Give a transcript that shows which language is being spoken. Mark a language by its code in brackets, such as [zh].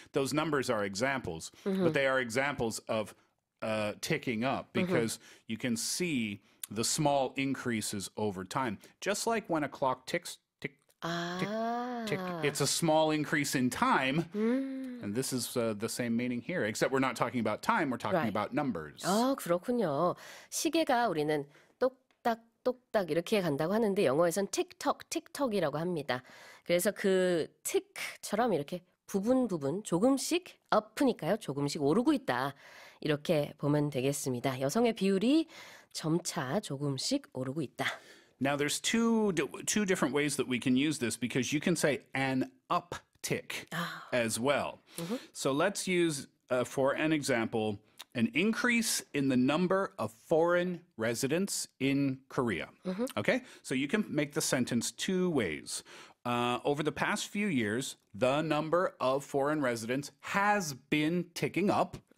[en] Those numbers are examples, but they are examples of ticking up because you can see the small increases over time. Just like when a clock ticks, tick, tick, tick. It's a small increase in time, and this is the same meaning here, except we're not talking about time, we're talking about numbers. [ko] 아, 그렇군요. 시계가 우리는 똑딱 이렇게 간다고 하는데 영어에서는 틱톡, 틱톡이라고 합니다. 그래서 그 틱처럼 이렇게 부분 부분 조금씩 업으니까요. 조금씩 오르고 있다. 이렇게 보면 되겠습니다. 여성의 비율이 점차 조금씩 오르고 있다. [en] Now there's two different ways that we can use this because you can say an uptick as well. So let's use for an example an increase in the number of foreign residents in Korea. Okay, so you can make the sentence two ways. Over the past few years, the number of foreign residents has been ticking up.